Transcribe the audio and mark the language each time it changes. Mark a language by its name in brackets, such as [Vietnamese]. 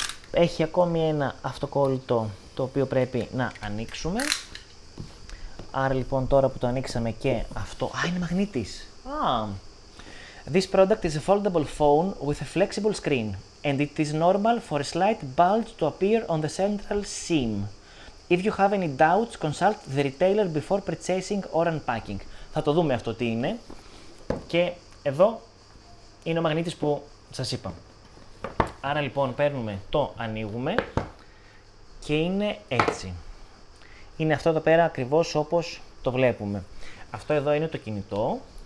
[Greek] Έχει ακόμη ένα αυτοκόλλητο το οποίο πρέπει να ανοίξουμε. Άρα λοιπόν τώρα που το ανοίξαμε και αυτό... Α, είναι μαγνήτης! [English] This product is a foldable phone with a flexible screen and it is normal for a slight bulge to appear on the central seam. If you have any doubts, consult the retailer before purchasing or unpacking. [Greek] Θα το δούμε αυτό τι είναι. Και εδώ είναι ο μαγνήτης που σας είπα. Άρα λοιπόν παίρνουμε, το ανοίγουμε και είναι έτσι. Είναι αυτό εδώ πέρα ακριβώς όπως το βλέπουμε. Αυτό εδώ είναι το κινητό.